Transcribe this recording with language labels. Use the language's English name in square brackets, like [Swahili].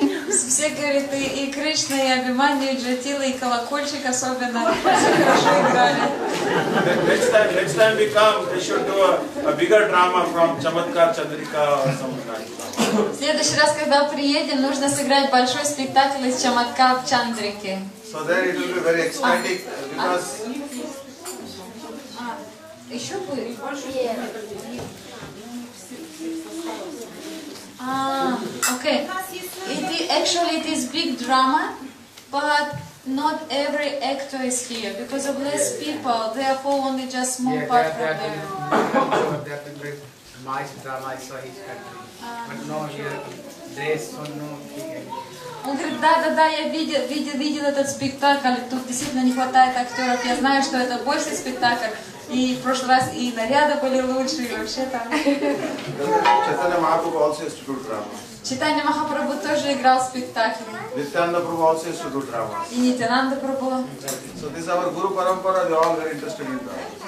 [Russian] Все говорят, и Кришна, и Абхиманью, и Джатила, и колокольчик особенно, все хорошо играли. [English] Next time we come, they should do a bigger drama from Чамадкар, Чандрика or something. [Russian] В следующий раз, когда приедем, нужно сыграть большой спектакль из Чамадкар в Чандрике. [English] So then it will be very exciting, because... [Russian] Еще будет? [English] Okay. It is big drama, but not every actor is here because of less people. Therefore, only just small part from there. Yeah, that's a great nice drama. I saw his country. But no, here, there is no big actor. [Russian] Он говорит, да, я видел этот спектакль, тут действительно не хватает актеров, я знаю, что это большой спектакль, и в прошлый раз и наряды были лучше, и вообще там. [English] Чайтанья Махапрабху also used to do dramas. [Russian] Чайтанья Махапрабху тоже играл в спектакле. [English] Нитянанда Прабху also used to do dramas. [Russian] И Нитянанда Прабху. [English] So this is our Guru Parampara, they're all very interested in dramas.